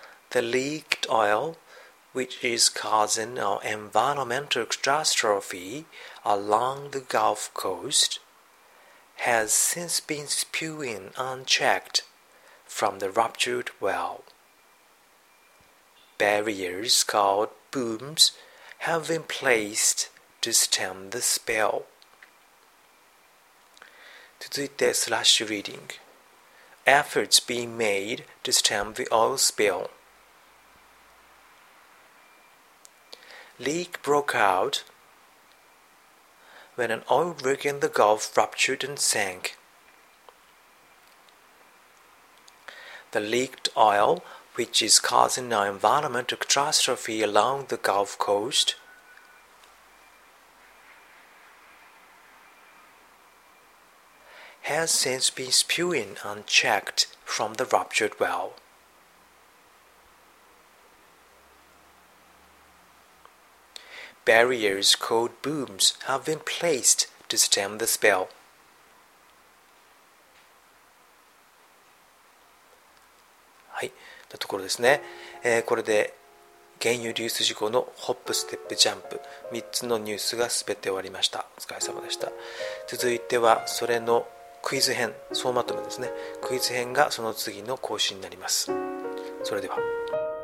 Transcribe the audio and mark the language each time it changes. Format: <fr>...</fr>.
<en>The leaked oil, which is causing an environmental catastrophe along the Gulf Coast, has since been spewing unchecked from the ruptured well。 Barriers called booms have been placed to stem the spill。</en> <ja>続いてスラッシュリーディング。</ja> <en>Efforts being made to stem the oil spill。 Leak broke out when an oil rig in the Gulf ruptured and sank。 The leaked oil, which is causing an environmental catastrophe along the Gulf Coast。 Has since been spewing unchecked from the ruptured well。 Barriers called booms have been placed to stem the spill。</en> <ja>はい、なところですね、これで原油流出事故のホップステップジャンプ、3つのニュースが全て終わりました。お疲れ様でした。続いてはそれのクイズ編、総まとめですね。クイズ編がその次の更新になります。それでは。</ja>